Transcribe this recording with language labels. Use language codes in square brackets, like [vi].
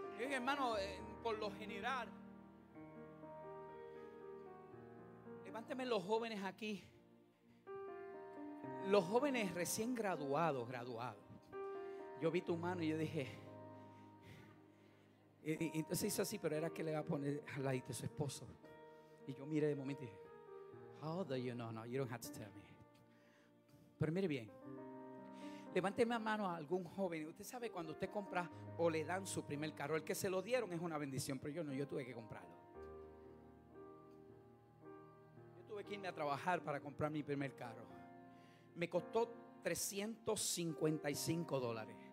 [es] Y hermano, por lo general, levánteme los jóvenes aquí, los jóvenes recién graduados. Yo vi tu mano y yo dije, y entonces hizo así, pero era que le va a poner al ladito a su esposo. [en] Y yo miré de momento y dije, how do you know? No, you don't have to tell me. [es] Pero mire bien, levánteme la mano a algún joven. Usted sabe, cuando usted compra o le dan su primer carro, el que se lo dieron es una bendición, pero yo no, yo tuve que comprarlo. Yo tuve que irme a trabajar para comprar mi primer carro. Me costó $355.